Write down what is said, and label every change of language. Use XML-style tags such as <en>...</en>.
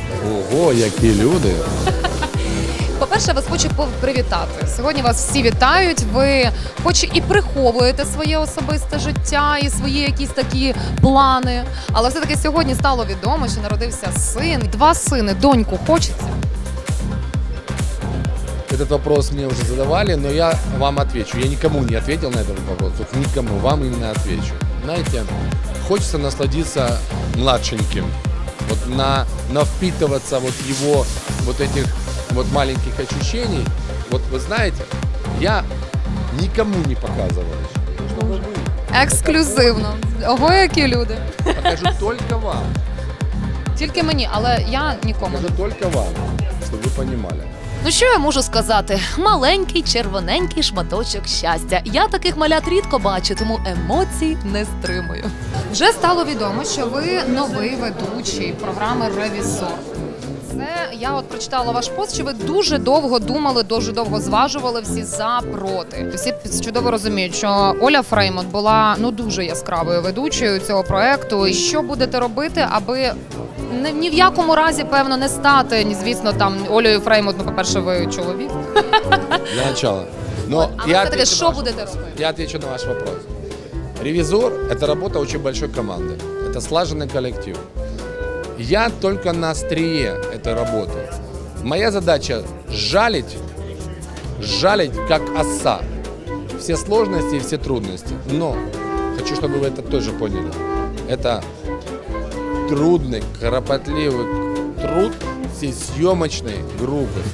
<uk>Ого, які люди! По-перше, вас хочу привітати. Сьогодні вас всі вітають. Ви хоч і приховуєте своє особисте життя і свої якісь такі плани, але все-таки сьогодні стало відомо, що народився син. Два сини, доньку хочеться?</uk> <ru>Этот вопрос мне уже задавали, но я вам отвечу. Я никому не ответил на этот вопрос, вот никому, вам именно отвечу. Знаете, хочется насладиться младшеньким, вот навпитываться вот его, вот этих вот маленьких ощущений. Вот вы знаете, я никому не показывал. Эксклюзивно. Ого, какие люди. Покажу только вам. Только мне,</ru> <uk>але</uk> <ru>я никому. Покажу только вам, чтобы вы понимали.</ru> <uk>Ну що я можу сказати? Маленький червоненький шматочок щастя. Я таких малят рідко бачу, тому емоцій не стримую. Вже стало відомо, що ви новий ведучий програми «Ревізор». Це я от прочитала ваш пост, що ви дуже довго думали, дуже довго зважували всі за, проти. Всі чудово розуміють, що Оля Фреймонт була ну дуже яскравою ведучою цього проекту. І що будете робити, аби ні в якому разі, певно, не стати, ні, звісно, там Олею Фреймонт, ну, по-перше, ви чоловік.</uk> <ru>Для начала. Ну,</ru> <uk>що будете робити? Я відповім на ваш вопрос. Ревізор – це робота дуже великої команди. Це слажений колектив.</uk> <ru>Я только на острие этой работы. Моя задача жалить как оса все сложности и все трудности. Но хочу, чтобы вы это тоже поняли. Это трудный, кропотливый труд всей съемочной группы.</ru>